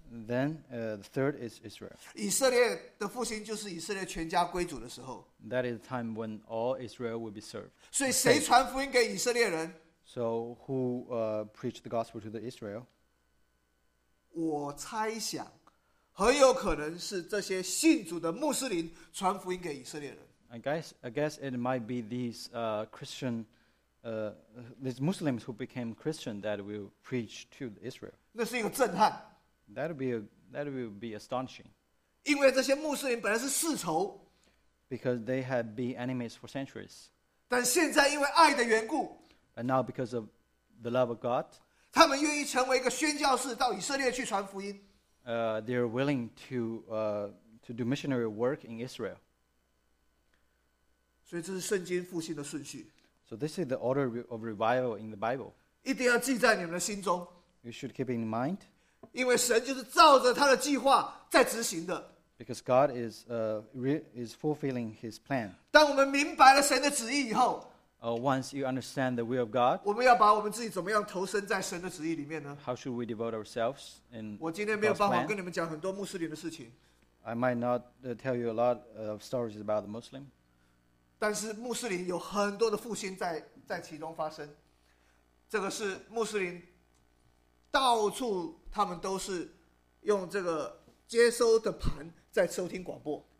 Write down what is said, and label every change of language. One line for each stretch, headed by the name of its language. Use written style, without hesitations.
English: Then the third is Israel.
Chinese: 以色列的复兴就是以色列全家归主的时候。
English: That is the time when all Israel will be served.
Chinese: 所以谁传福音给以色列人？
English: So who preached the gospel to the Israel?
Chinese: 我猜想，很有可能是这些信主的穆斯林传福音给以色列人。
English: I guess it might be these Christian, these Muslims who became Christian that will preach to Israel.
Chinese: 那是一个震撼。
English: That would be astonishing.
Chinese: 因为这些穆斯林本来是世仇。
English: Because they had been enemies for centuries.
Chinese: 但现在因为爱的缘故。
English: And now because of the love of God.
Chinese: 他们愿意成为一个宣教士到以色列去传福音。
English: They are willing to do missionary work in Israel.
Chinese: 所以这是圣经复兴的顺序。
English: So this is the order of revival in the Bible.
Chinese: 一定要记在你们的心中。
English: You should keep in mind.
Chinese: 因为神就是照着他的计划在执行的。
English: Because God is, is fulfilling His plan.
Chinese: 当我们明白了神的旨意以后,
English: Once you understand the will of God,
Chinese: 我们要把我们自己怎么样投身在神的旨意里面呢?
English: How should we devote ourselves in God's plan?
Chinese: 我今天没有办法跟你们讲很多穆斯林的事情。
English: I might not tell you a lot of stories about the Muslim.
Chinese: 但是穆斯林有很多的复兴 在其中发生。这个是穆斯林到处他们都是用这个接收的盘在收听广播。